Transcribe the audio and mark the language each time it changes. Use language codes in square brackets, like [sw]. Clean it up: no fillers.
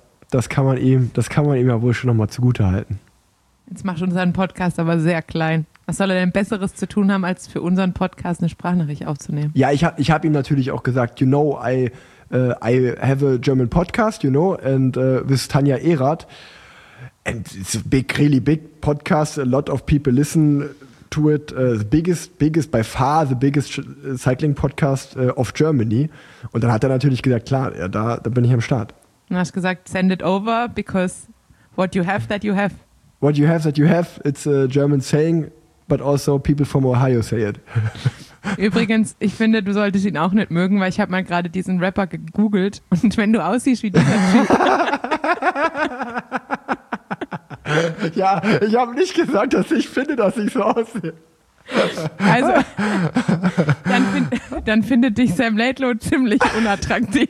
[de] Das kann man ihm ja wohl schon nochmal zugute halten. Jetzt macht unseren Podcast aber sehr klein. Was soll er denn Besseres zu tun haben, als für unseren Podcast eine Sprachnachricht aufzunehmen? Ja, ich hab ihm natürlich auch gesagt, [en] you know, I have a German podcast, you know, and with Tanja Erath. And it's a big, really big podcast. A lot of people listen to it. The biggest, by far, cycling podcast of Germany. [de] Und dann hat er natürlich gesagt, klar, ja, da bin ich am Start. Und hast gesagt, [en] send it over, because what you have that you have. What you have that you have, it's a German saying, but also people from Ohio say it. [de] Übrigens, ich finde, du solltest ihn auch nicht mögen, weil ich habe mal gerade diesen Rapper gegoogelt und wenn du aussiehst wie dieser Typ. Ja, ich habe nicht gesagt, dass ich finde, dass ich so aussehe. Also, dann findet dich Sam Laidlaw ziemlich unattraktiv.